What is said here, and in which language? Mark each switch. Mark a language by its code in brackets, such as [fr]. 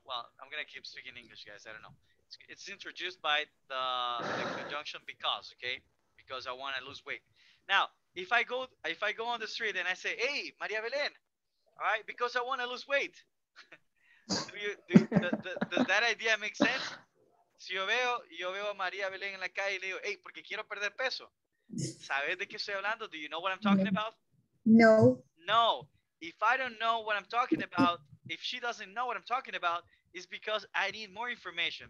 [en] Well, I'm going to keep speaking English, guys. I don't know. It's introduced by the conjunction because, okay? because I want to lose weight. Now, if I go on the street and I say, hey, Maria Belen, all right, because I want to lose weight. does that idea make sense? [es] Si yo veo a Maria Belen en la calle y le digo, hey, porque quiero perder peso. ¿Sabes de qué estoy hablando? [en] Do you know what I'm talking about? No. No. If I don't know what I'm talking about, if she doesn't know what I'm talking about, it's because I need more information.